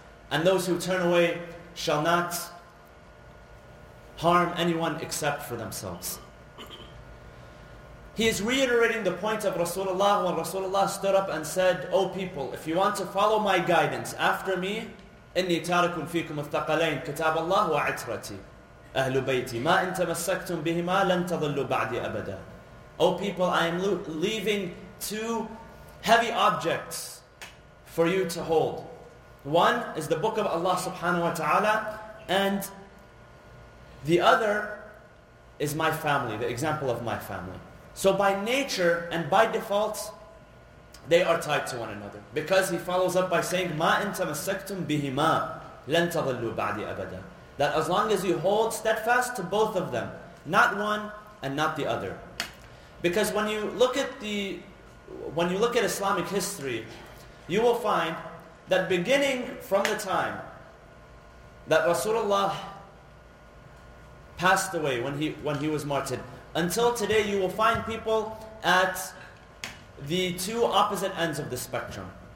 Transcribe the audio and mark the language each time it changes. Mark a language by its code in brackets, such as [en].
[en] And those who turn away shall not harm anyone except for themselves. He is reiterating the point of Rasulullah when Rasulullah stood up and said, "O people, if you want to follow my guidance after me, [ar] إِنِّي تَارِكُمْ فِيكُمُ الثَّقَلَيْنِ كِتَابَ اللَّهُ وَعِتْرَتِي, أهل بيتي ما إن تمسكتم بهما لن تضلوا بعدي أبدا. [en] O people, I am leaving two heavy objects for you to hold. One is the book of Allah subhanahu wa ta'ala, and the other is my family, the example of my family. So by nature and by default, they are tied to one another. Because he follows up by saying, [ar] مَا إِن تَمَسَّكْتُمْ بِهِمَا لَن تَظَلُّوا بَعْدِ أَبَدًا. [en] That as long as you hold steadfast to both of them, not one and not the other. Because when you look at Islamic history, you will find that beginning from the time that Rasulullah passed away, when he was martyred, until today, you will find people at the two opposite ends of the spectrum.